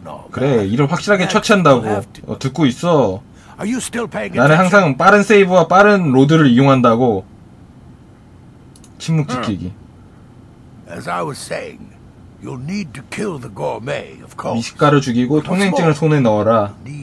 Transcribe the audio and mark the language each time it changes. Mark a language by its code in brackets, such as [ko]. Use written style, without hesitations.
[ko] 그래, 일을 확실하게 처치한다고. 듣고 있어. 나는 항상 빠른 세이브와 빠른 로드를 이용한다고. 침묵 지키기. [en] As I was saying, you'll need to kill the gourmet, of course. [ko] 미식가를 죽이고 통행증을 손에 넣어라.